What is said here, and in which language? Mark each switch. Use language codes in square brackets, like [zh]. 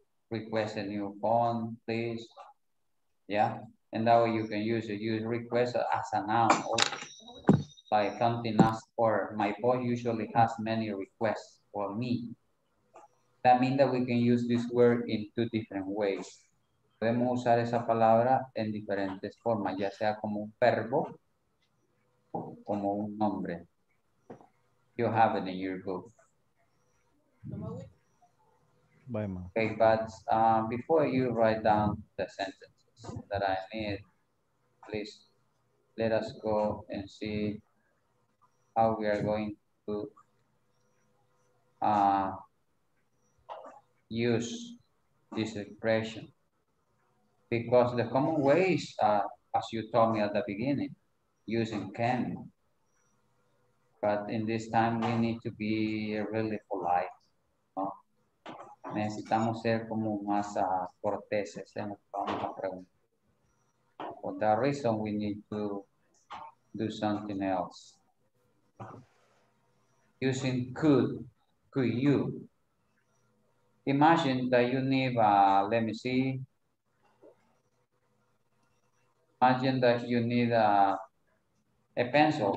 [en] Request a new phone, please. Yeah, and that way you can use it. Use request as a noun. By something asked for, my boss usually has many requests for me. That means that we can use this word in two different ways. [es] Podemos usar esa palabra en diferentes formas, ya sea como un verbo o como un nombre. [en] You have it in your book. Bye, ma. Okay, but before you write down the sentences that I need, please let us go and see how we are going to use this expression. Because the common ways, as you told me at the beginning, using can. But in this time, we need to be really polite. [es] ¿No? Necesitamos ser como más corteses en lo que vamos a preguntar. [en] For that reason, we need to do something else. Using could you imagine that you need let me see, imagine that you need a pencil.